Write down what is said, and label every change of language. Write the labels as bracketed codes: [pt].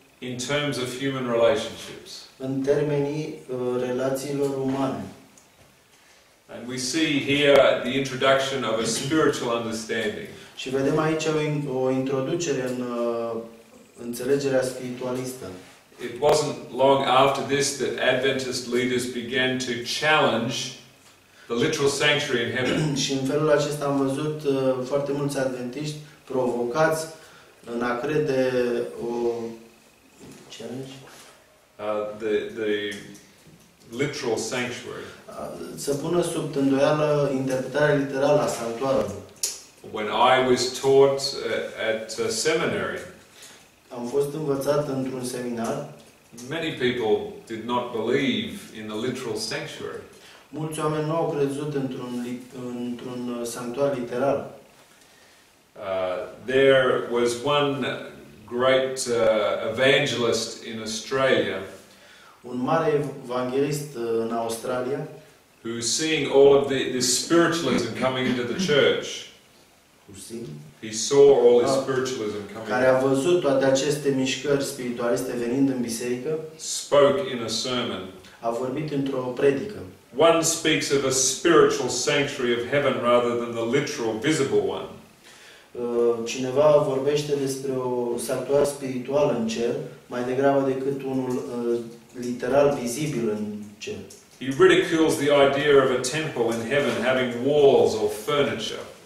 [en] In terms of human relationships. [ro] În termenii relațiilor umane. [en] And we see here the introduction of a spiritual understanding. [ro] Și vedem aici o introducere în înțelegerea spiritualistă. [en] It wasn't long after this that Adventist leaders began to challenge the literal sanctuary in heaven. [ro] Și în felul acesta am văzut foarte mulți adventiști provocați în a crede o challenge [en] the literal sanctuary. [ro] Să pună sub îndoială interpretarea literală a sanctuarului. [en] When I was taught at a seminary, [ro] am fost învățat într-un seminar. [en] Many people did not believe in the literal sanctuary. [ro] Mulți oameni nu au crezut într-un sanctuar literal. [en] There was one great evangelist in Australia. [ro] Un mare evanghelist în Australia. [en] Who, seeing all of this spiritualism coming into the church? He saw all his spiritualism coming. [ro] Care a văzut toate aceste mișcări spiritualiste venind în biserică? [en] Spoke in a sermon. [ro] A vorbit într-o predică. [en] One speaks of a spiritual sanctuary of heaven rather than the literal visible one. [ro] Cineva vorbește despre o sanctuar spiritual în cer, mai degrabă decât unul literal vizibil în cer. [en] He ridicules the idea of a temple in heaven having walls or furniture.